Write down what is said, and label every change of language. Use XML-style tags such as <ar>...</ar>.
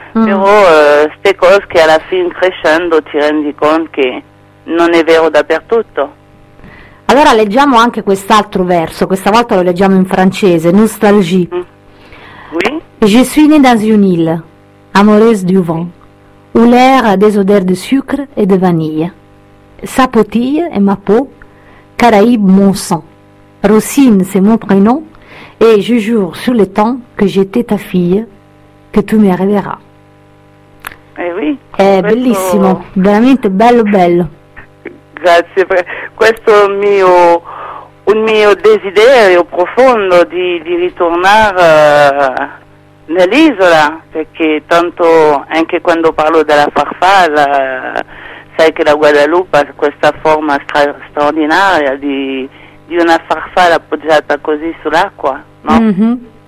<it>Però queste cose che alla fine, crescendo, ti rendi conto che non è vero dappertutto. Allora leggiamo anche quest'altro verso, questa volta lo leggiamo in francese, Nostalgie.</it> <fr>Oui. Je suis né dans une île, amoureuse du vent, où l'air a des odeurs de sucre et de vanille. Sapotille est ma peau, Caraïbe mon sang, Rossine c'est mon prénom, et je jure sur le temps que j'étais ta fille, que tu me rêveras. Eh oui,</fr> <it>è bellissimo, questo, veramente bello bello. Grazie, questo è un mio desiderio profondo di ritornare nell'isola, perché tanto anche quando parlo della farfalla, sai che la Guadalupe ha questa forma straordinaria di una farfalla appoggiata così sull'acqua, no?</it>